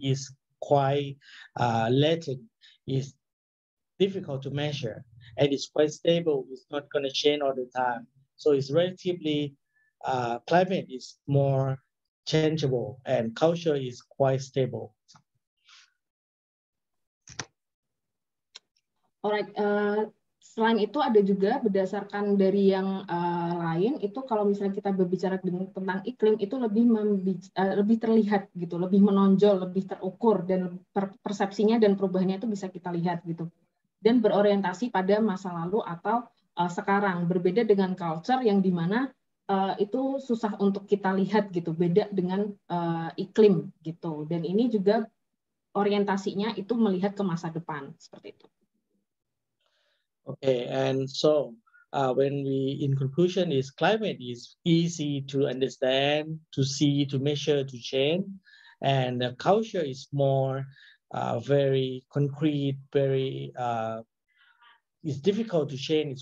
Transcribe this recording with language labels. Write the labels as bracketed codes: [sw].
[en] Is quite latent. Is difficult to measure, and it's quite stable. It's not going to change all the time. So it's relatively, climate is more changeable, and culture is quite stable. [id] Alright, selain itu ada juga berdasarkan dari yang lain, itu kalau misalnya kita berbicara tentang iklim, itu lebih terlihat gitu, lebih menonjol, lebih terukur, dan persepsinya dan perubahannya itu bisa kita lihat gitu. Dan berorientasi pada masa lalu atau sekarang, berbeda dengan culture yang dimana itu susah untuk kita lihat gitu, beda dengan iklim gitu. Dan ini juga orientasinya itu melihat ke masa depan, seperti itu. [en] Okay, and so when we, in conclusion, is climate is easy to understand, to see, to measure, to change, and the culture is more very concrete, very it's difficult to change.